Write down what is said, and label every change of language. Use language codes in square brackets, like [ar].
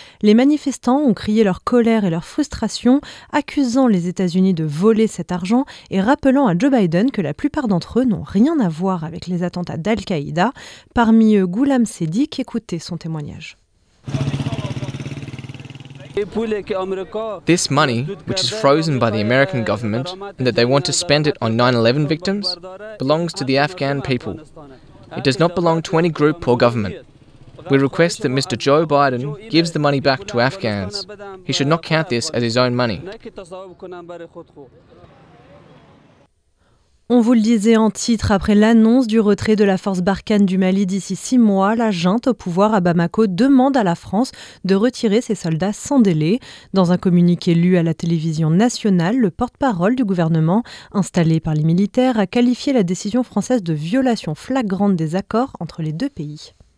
[fr] Les manifestants ont crié leur colère et leur frustration, accusant les États-Unis de voler cet argent et rappelant à Joe Biden que la plupart d'entre eux n'ont rien à voir avec les attentats d'Al-Qaïda, parmi eux Ghulam Seddik, écoutez son témoignage. [en] This money, which is frozen by the American government and that they want to spend it on 9/11 victims, belongs to the Afghan people. It does not belong to any group or government. We request that Mr. Joe Biden gives the money back to Afghans. He should not count this as his own money. [fr] On vous le disait en titre, après l'annonce du retrait de la force Barkhane du Mali d'ici 6 mois, la junte au pouvoir à Bamako demande à la France de retirer ses soldats sans délai. Dans un communiqué lu à la télévision nationale, le porte-parole du gouvernement, installé par les militaires, a qualifié la décision française de violation flagrante des accords entre les deux pays.